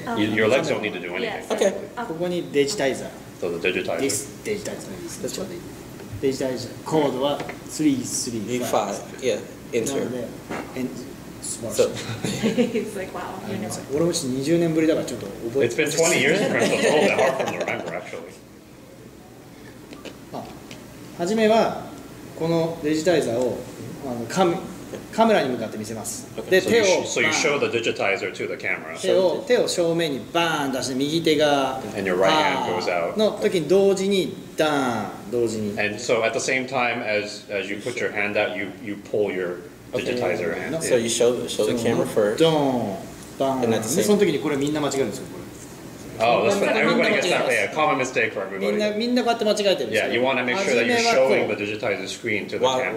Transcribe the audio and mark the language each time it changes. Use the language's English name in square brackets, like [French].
[English] Your legs don't need to do anything. Okay. [Japanese] ここにデジタイザー。 [English] So the digitizer. This digitizer. [Japanese] どちらでいい?デジタイザー。コードは335。 [English] 5。 Yeah. Enter. [Japanese] なので、スマッ [English] シュ。It's like, wow. You know. [Japanese] 俺もし20年ぶりだからちょっと覚えて [English] る。It's been 20 years since. It's a little bit hard from the remember, actually. [Japanese] はじめは、このデジタイザーを、カメラに向かって見せます。 [English] Okay. [Japanese] で、手を、 [English] so you show the digitizer to the camera. [Japanese] 手を正面にバーン出して、右手が、 [English] and your right hand goes out. [Japanese] の時に同時に、ダーン、同時に。 [English] And so at the same time as you put your hand out, you pull your digitizer hand. Okay. So you show the camera first. [Japanese] ドーン、バーン。その時にこれみんな間違えるんですよ。 [English] Oh, that's what everybody gets that. Yeah, common mistake for everybody. [Japanese] みんなこうやって間違えてる。 [English] Yeah, you want to make sure that you're showing the digitized screen to the camera.